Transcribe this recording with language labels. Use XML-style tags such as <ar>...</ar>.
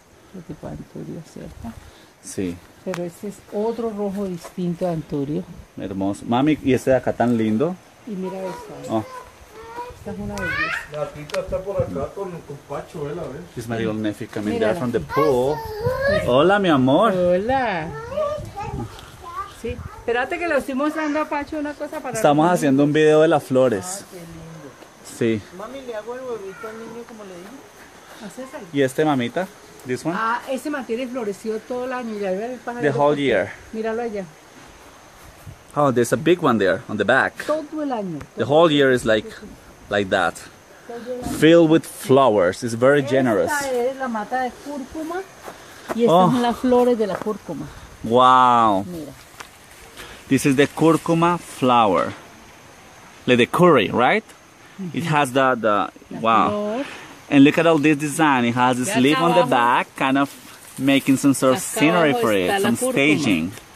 <es>Otro tipo de anturio, ¿cierto? Sí. Pero este es otro rojo distinto de anturio. Hermoso. Mami, ¿y este de acá tan lindo? Y mira esta. Oh. Esta es una belleza. La tita está por acá con Pacho, ¿eh?</es> <en>This is my little nephew coming there from the pool.</en> <es>Hola, mi amor. Hola. Sí, espérate que le estoy mostrando a Pacho una cosa para... Estamos haciendo un video de las flores. Ah, qué lindo. Sí. Mami, le hago el huevito al niño, como le dije. ¿Hace eso? ¿Y este, mamita?</es> <en>This one?</en> <es>Ah, ese mantiene florecido todo el año. Ya ve el pájaro.</es> <en>The whole year.</en> <es>Míralo allá.</es> <en>Oh, there's a big one there on the back.</en> <es>Todo el año.</es> <en>The whole year is like that. Filled with flowers. It's very generous.</en> <es>Esta es la mata de cúrcuma. Y estas son las flores de la cúrcuma.</es> <en>Wow.</en> <es>Mira.</es> <en>This is the cúrcuma flower. Like the curry, right? Mm-hmm. It has the wow.</en> <es>Flor.</es> <en>And look at all this design. It has this leaf on the back, kind of making some sort of scenery for it, some staging.</en>